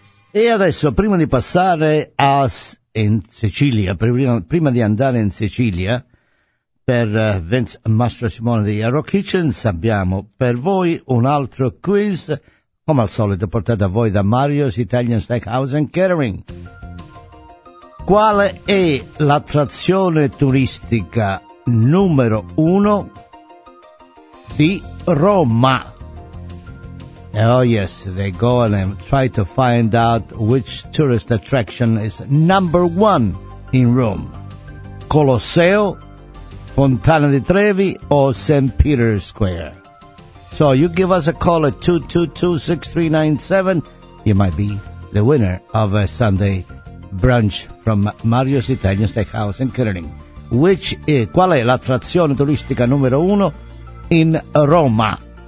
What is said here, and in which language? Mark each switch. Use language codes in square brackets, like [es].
[it] E adesso, prima di passare a in Sicilia, prima di andare in Sicilia per Vince Mastro Simone di Arrow Kitchens, abbiamo per voi un altro quiz, come al solito portato a voi da Mario's Italian Steakhouse and Catering. Qual è l'attrazione turistica numero uno di Roma? [en] Oh yes, they go and try to find out which tourist attraction is number one in Rome. Colosseo, Fontana di Trevi, or St. Peter's Square. So you give us a call at 222-6397, you might be the winner of a Sunday brunch from Mario's Italian Steakhouse in Kettering. [it] Qual è l'attrazione turistica numero uno in Roma?